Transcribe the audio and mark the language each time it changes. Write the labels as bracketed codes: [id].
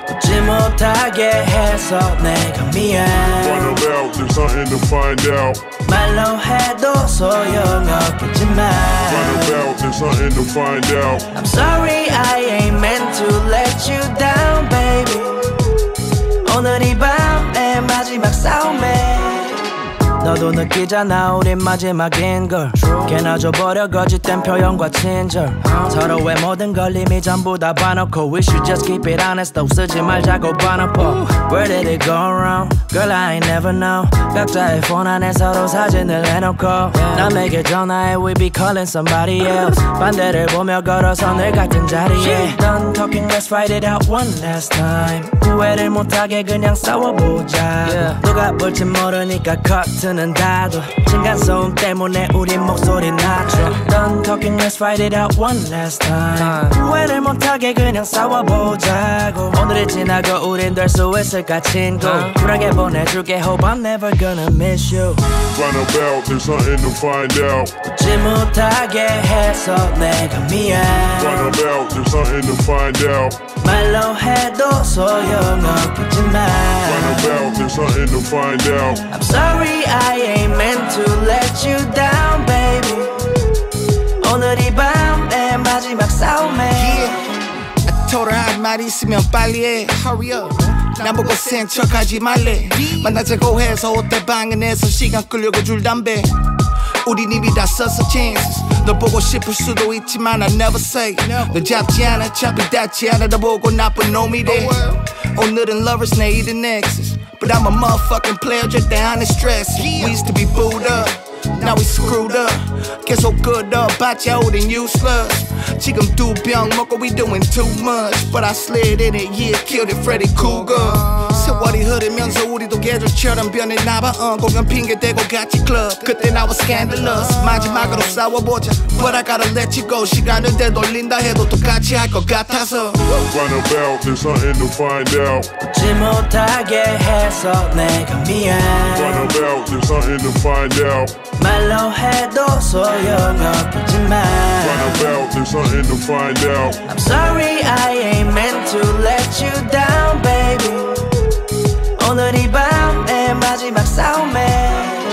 [ko] 듣지 못하게 해서 내가 미안. [en] Find out, there's something to find out. [ko] 말로 해도 소용없겠지만. [en] Find out, there's something to find out. I'm sorry, I ain't meant to let you down, baby. [ko] 오늘 이 밤의 마지막 싸움에. 너도 느끼잖아 우린 마지막인걸. 걔나 줘버려 거짓된 표현과 친절. 서로의 모든 걸 이미 전부 다 봐놓고. [en] We should just keep it honest though. [ko] 쓰지 말자고 봐놓고. [en] Where did it go wrong? Girl I ain't never know. [ko] 각자의 폰 안에 서로 사진을 해놓고. 남에게 전화해 [en] we be calling somebody else. [ko] 반대를 보며 걸어서 늘 같은 자리에. [en] Done talking, let's fight it out one last time. [ko] 후회를 못하게 그냥 싸워보자. 누가 볼지 모르니까 cut. 는 다도 층간 소음 때문에 우리 목소리 낮춰. [en] Done talking, let's fight it out one last time. [ko] 후회를 못하게 그냥 싸워보자고. 오늘이 지나고 우린 될 수 있을까 친구. 쿨하게 보내줄게. [en] Hope I'm never gonna miss you. Find out about, there's something to find out. [ko] 듣지 못하게 해서 내가 미안. [en] Find out about, there's something to find out. [ko] 말로 해도 소용없겠지만. [en] Find out about, there's something to find out. I'm sorry, I ain't meant to let you down, baby. [ko] 오늘 이 밤의 마지막 싸움에. [en] Yeah. [ko] 돌아 할 말 있으면 빨리 해. [en] Hurry up. [ko] 난 보고 센 척하지 말래. 만나자고 해서 호텔방에 내서 시간 끌려고 줄 담배. 우린 이미 다 썼어 chances. 너 보고 싶을 수도 있지만 [en] I never say. [ko] 너 잡지 않아 잡히 닿지 않아. 너 보고 나쁜 놈이 돼. 오늘은 lovers 내일은 next. [en] But I'm a motherfucking player just down in stress. We used to be booed up, now we screwed up. [ko] 계속 끌어봤자 우린 useless. 지금 두 병 먹고 [en] we doing too much. But I slid in it, yeah, killed it, Freddy Krueger. [ko] 세월이 흐르면서 우리도 계절처럼 변했나 봐. 공연 핑계대고 같이 클럽. [en] 그땐 I was scandalous. [ko] 마지막으로 싸워보자. [en] But I gotta let you go. [ko] 시간을 되돌린다 해도 똑같이 할 것 같아서. [en] Find a belt, there's something to find out. [ko] 지 못하게 해서 내가 미안. [en] Find a belt, there's something to find out. [ko] 말로 해도 소용없지만. [en] Find a belt, there's something to find out. I'm sorry, I ain't meant to let you down, baby. [ko] 오늘 이 밤의 마지막 싸움에.